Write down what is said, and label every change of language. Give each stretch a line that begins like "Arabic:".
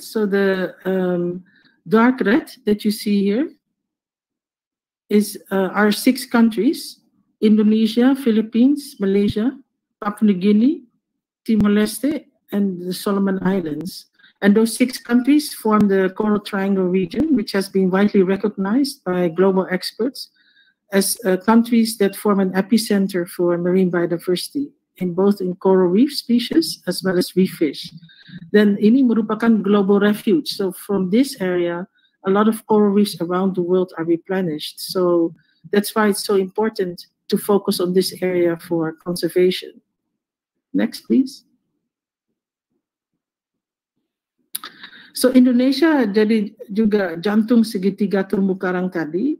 English: So the dark red that you see here is our 6 countries: Indonesia, Philippines, Malaysia, Papua New Guinea, Timor Leste, and the Solomon Islands. And those 6 countries form the Coral Triangle region, which has been widely recognized by global experts as countries that form an epicenter for marine biodiversity, in both in coral reef species as well as reef fish.
Indonesian: Then ini merupakan global refuge.
English: So from this area, a lot of coral reefs around the world are replenished. So that's why it's so important to focus on this area for conservation. Next, please.
Indonesian: So Indonesia jadi juga jantung segitiga terumbu karang tadi.